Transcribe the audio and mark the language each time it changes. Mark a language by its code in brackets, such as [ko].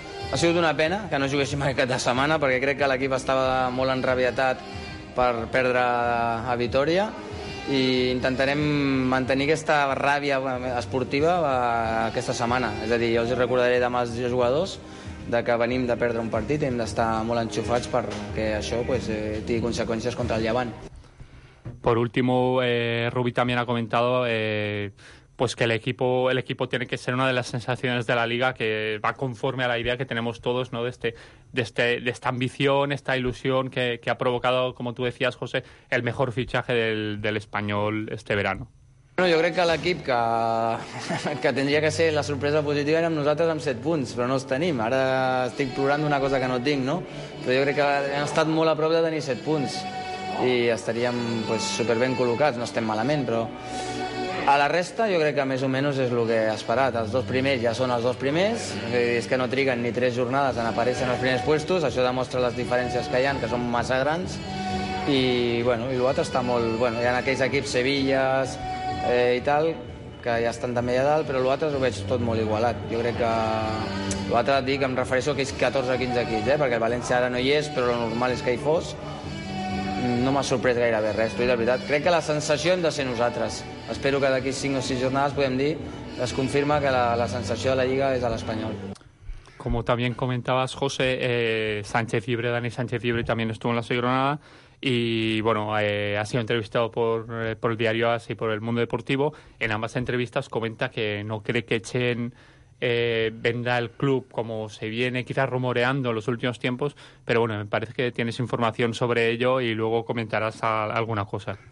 [ca] Ha sigut una pena que no juguéssim aquesta setmana perquè crec que l'equip estava molt enrabiatat per perdre a Vitoria i intentarem mantenir aquesta ràbia esportiva aquesta setmana. És a dir, jo els recordaré demà els jugadors que venim de perdre un partit i hem d'estar molt enxufats perquè això pues, tingui conseqüències contra el Llevant. [es] Por último, Rubi también ha comentado pues que el equipo tiene que ser una de las sensaciones de la Liga, que va conforme a la idea que tenemos todos, ¿no? de esta ambición, esta ilusión que ha provocado, como tú decías, José, el mejor fichaje del Español este verano. [ca] Bueno, jo crec que l'equip que tindria que ser la sorpresa positiva érem nosaltres amb 7 punts, però no els tenim. Ara estic plorant d'una cosa que no tinc, no? Però jo crec que hem estat molt a prop de tenir 7 punts i estaríem pues, superben col·locats, no estem malament, però a la resta jo crec que més o menys és el que he esperat. Els dos primers ja són els dos primers, és que no triguen ni 3 jornades en aparèixer en els primers puestos, això demostra les diferències que hi ha, que són massa grans, i, bueno, i l'altre està molt... Bueno, hi ha aquells equips, Sevillas, i tal, que ja estan també a dalt, però l'altre ho veig tot molt igualat. Jo crec que l'altre, et dic, em refereixo a aquells 14 o 15 equips, perquè el València ara no hi és, però el normal és que hi fos. No m'ha sorprès gairebé res, però de veritat, crec que la sensació hem de ser nosaltres. Espero que d'aquí 5 o 6 jornades podem dir, es confirma que la sensació de la Lliga és a l'Espanyol. [es] Como también comentabas, José, Sánchez Fibre, Dani Sánchez Fibre también estuvo en la Sigronada. Y bueno, ha sido entrevistado por el diario AS y por El Mundo Deportivo. En ambas entrevistas comenta que no cree que echen venda el club como se viene quizás rumoreando en los últimos tiempos, pero bueno, me parece que tienes información sobre ello y luego comentarás alguna cosa.